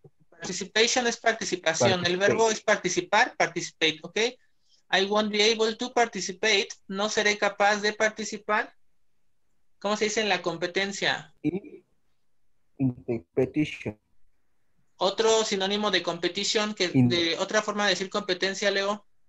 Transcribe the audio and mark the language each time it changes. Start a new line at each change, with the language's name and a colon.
Spanish: Participation es participación. Participate. El verbo es participar. Participate. Ok.
English: I won't be able to participate.
Spanish: No seré capaz de participar. ¿Cómo se dice en la competencia?
English: Competition.
Spanish: Otro sinónimo de competition, que de otra forma de decir competencia, Leo.